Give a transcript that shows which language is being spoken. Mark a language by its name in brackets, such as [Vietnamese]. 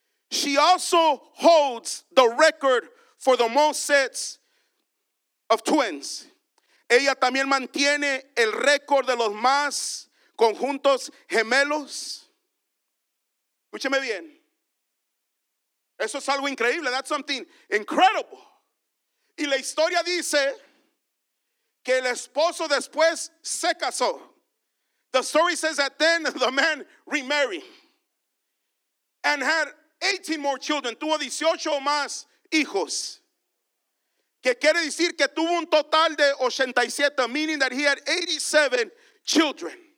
[English] She also holds the record for the most sets of twins. [Spanish] Ella también mantiene el récord de los más conjuntos gemelos. Escúcheme bien. Eso es algo increíble. [English] That's something incredible. [Spanish] Y la historia dice que el esposo después se casó. [English] The story says that then the man remarried and had 18 more children. [Spanish] Tuvo 18 más hijos. Que quiere decir que tuvo un total de 87, [English] meaning that he had 87 children.